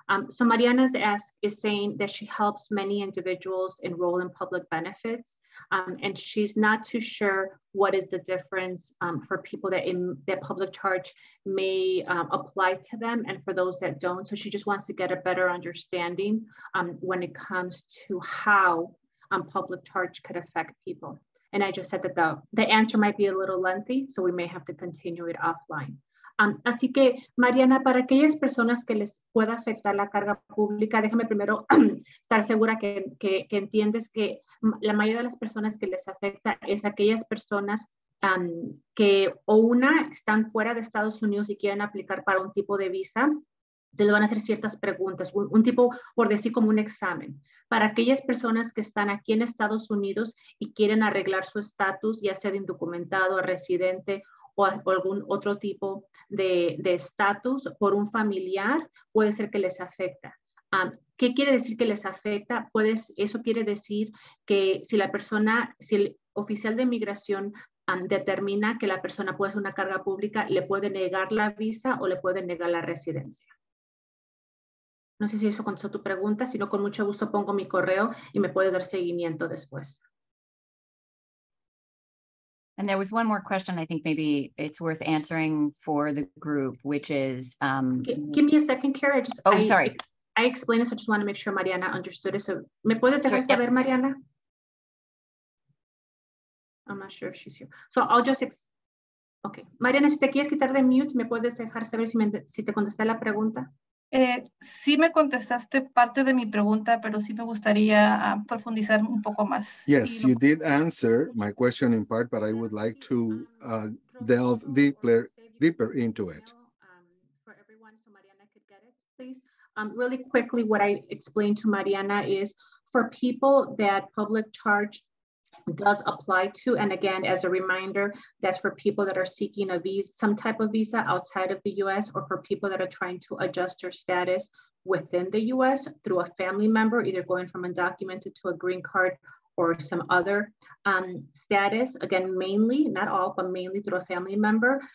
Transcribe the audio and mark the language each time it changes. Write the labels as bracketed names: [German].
[English] So Mariana's is saying that she helps many individuals enroll in public benefits, and she's not too sure what is the difference for people that that public charge may apply to them and for those that don't. So she just wants to get a better understanding when it comes to how public charge could affect people. And I just said that the answer might be a little lengthy, so we may have to continue it offline. [Spanish] Así que, Mariana, para aquellas personas que les pueda afectar la carga pública, déjame primero estar segura que entiendes que la mayoría de las personas que les afecta es aquellas personas que o una están fuera de Estados Unidos y quieren aplicar para un tipo de visa, se les van a hacer ciertas preguntas, un tipo, por decir, como un examen. Para aquellas personas que están aquí en Estados Unidos y quieren arreglar su estatus, ya sea de indocumentado, residente o algún otro tipo de estatus por un familiar, puede ser que les afecta. ¿Qué quiere decir que les afecta? Eso quiere decir que si el oficial de inmigración determina que la persona puede ser una carga pública, le puede negar la visa o le puede negar la residencia. No sé si eso contestó tu pregunta, sino con mucho gusto pongo mi correo y me puedes dar seguimiento después. [English] And there was one more question. I think maybe it's worth answering for the group, which is... Give me a second, Kara. Sorry. I explained this. I just want to make sure Mariana understood it. So, [Spanish] ¿me puedes dejar saber, [English] yeah. Mariana? I'm not sure if she's here. So I'll just... [Spanish] Okay. Mariana, si te quieres quitar de mute, ¿me puedes dejar saber si te contesté la pregunta? Sí me contestaste parte de mi pregunta, pero sí me gustaría profundizar un poco más. [English] Yes, you did answer my question in part, but I would like to delve deeper into it. For everyone, so Mariana could get it, please. Really quickly, what I explained to Mariana is for people that public charge does apply to, and again, as a reminder, that's for people that are seeking a visa, some type of visa outside of the US, or for people that are trying to adjust their status within the US through a family member, either going from undocumented to a green card or some other status, again, mainly, not all, but mainly through a family member.